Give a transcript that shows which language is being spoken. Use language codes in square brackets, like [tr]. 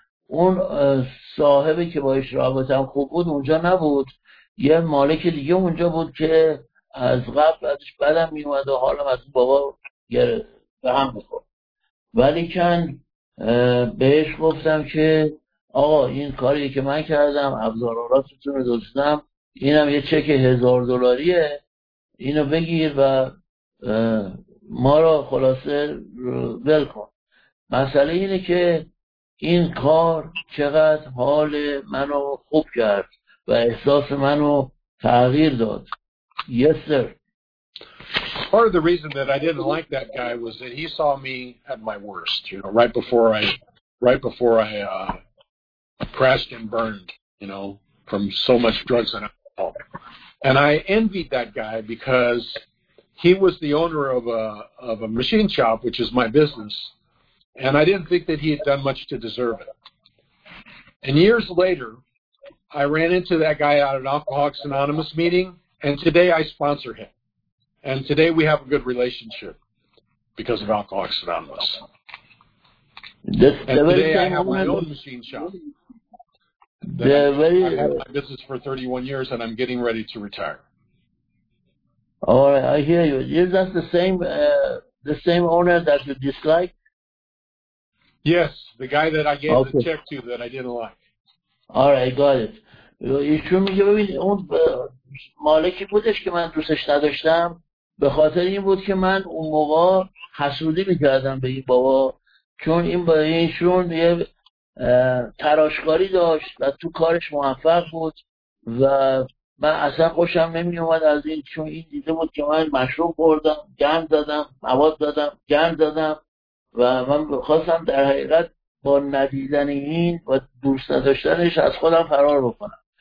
[fa] اون صاحبی که با ایش رابطم خوب بود اونجا نبود، یه مالک دیگه اونجا بود که از قبل ازش بدم میومد و حالم از بابا به هم بخورد، ولی کن بهش گفتم که آقا این کاری که من کردم ابزار آراتتون رو دوستم، اینم یه چک $1,000 اینو بگیر و ما را خلاصه ول کن. مسئله اینه که این کار چقدر حال منو خوب کرد و احساس منو تغییر داد. [en] Yes, sir. Part of the reason that I didn't like that guy was that he saw me at my worst, you know, right before I crashed and burned, you know, from so much drugs and alcohol. And I envied that guy because he was the owner of a machine shop, which is my business, and I didn't think that he had done much to deserve it. And years later, I ran into that guy at an Alcoholics Anonymous meeting, and today I sponsor him. And today we have a good relationship because of Alcoholics Anonymous. And today I have my own machine shop. I've had my business for 31 years, and I'm getting ready to retire. All right, I hear you. Is that the same owner that you dislike? Yes, the guy that I gave the check to that I didn't like. All right, got it. [fa] ایشون میگه ببین اون مالکی بودش که من دوستش نداشتم به خاطر این بود که من اون موقع حسودی میکردم به این بابا، چون این برای ایشون یه تراشکاری داشت و تو کارش موفق بود و من اصلا خوشم نمی اومد از این، چون این دیده بود که من مشروب خوردم، گند دادم، مواد دادم، گند دادم و من خواستم در حقیقت با ندیدن این و دوست نداشتنش از خودم فرار بکنم.